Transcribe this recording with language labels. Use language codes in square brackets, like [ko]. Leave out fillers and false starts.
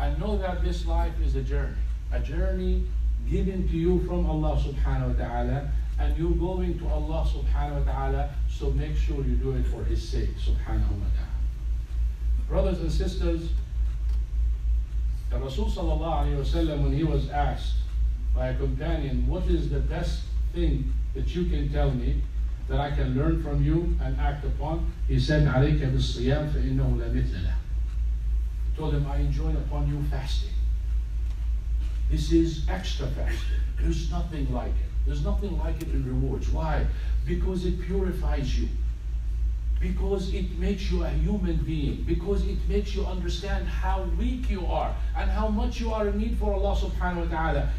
[en] I know that this life is a journey. Given to you from Allah subhanahu wa ta'ala, and you're going to Allah subhanahu wa ta'ala, so make sure you do it for His sake, subhanahu wa ta'ala. Brothers and sisters, the Rasul sallallahu alayhi wa sallam, when he was asked by a companion, what is the best thing that you can tell me that I can learn from you and act upon? He said, [ar] عليك بالصيام فإنه لا مثل له. [en] He told him, I enjoin upon you fasting. This is extra fasting. There's nothing like it. There's nothing like it in rewards. Why? Because it purifies you. Because it makes you a human being. Because it makes you understand how weak you are and how much you are in need for Allah subhanahu wa ta'ala.